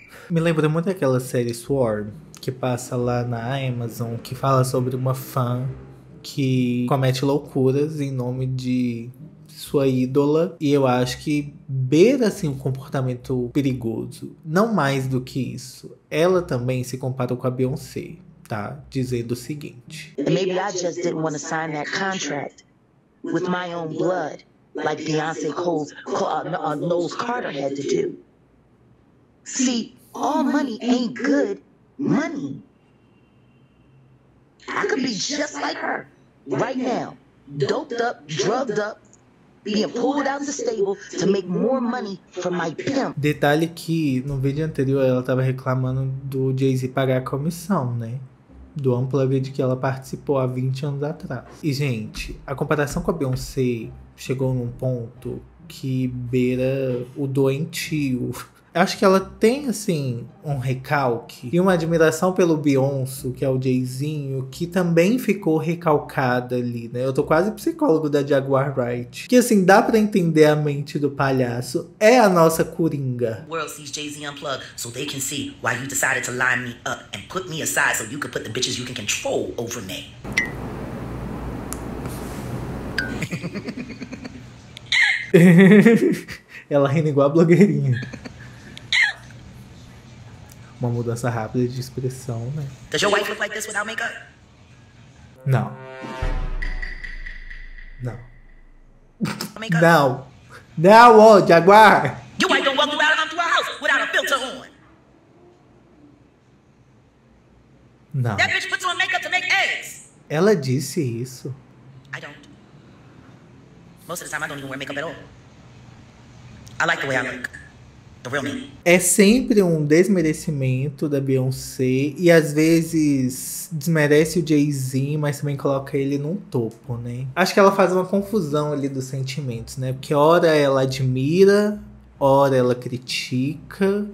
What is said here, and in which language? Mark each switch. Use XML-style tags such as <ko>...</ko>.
<pt>Me lembra muito aquela série Swarm, que passa lá na Amazon, que fala sobre uma fã que comete loucuras em nome de sua ídola. E eu acho que beira, assim, um comportamento perigoso. Não mais do que isso. Ela também se comparou com a Beyoncé, tá? Dizendo o seguinte.</pt> <en>Maybe I just didn't want to sign that contract with my own blood, like Beyoncé Knowles Carter had to do. See, all money ain't good money. I could be just like her right now, doped up, drugged up, being pulled out of the stable to make more money for my pimp.</en> <pt>Detalhe que no vídeo anterior ela tava reclamando do Jay-Z pagar a comissão, né? Do Unplugged que ela participou há 20 anos atrás. E, gente, a comparação com a Beyoncé chegou num ponto que beira o doentio. Acho que ela tem, assim, um recalque e uma admiração pelo Beyoncé, que é o Jayzinho, que também ficou recalcada ali, né? Eu tô quase psicólogo da Jaguar Wright. Que, assim, dá pra entender a mente do palhaço. É a nossa coringa.</pt> <en>The world sees Jay-Z unplugged, so they can see why you decided to line me up and put me aside so you could put the bitches you can control over me. Yeah.</en> <pt>Ela rindo igual a blogueirinha. Uma mudança rápida de expressão, né?</pt> <en>Does your wife look like this without makeup?</en> <pt>Não. Não. Não. Não, ô, oh, Jaguar!</pt> <en>You ain't gonna walk through out of our house without a filter on.</en> <pt>Não.</pt> <en>That bitch puts on makeup to make eggs.</en> <pt>Ela disse isso.</pt> <en>I don't. Most of the time I don't even wear makeup at all. I like the way I look. The real me.</en> <pt>É sempre um desmerecimento da Beyoncé e às vezes desmerece o Jay-Z, mas também coloca ele num topo, né? Acho que ela faz uma confusão ali dos sentimentos, né? Porque ora ela admira, ora ela critica.</pt>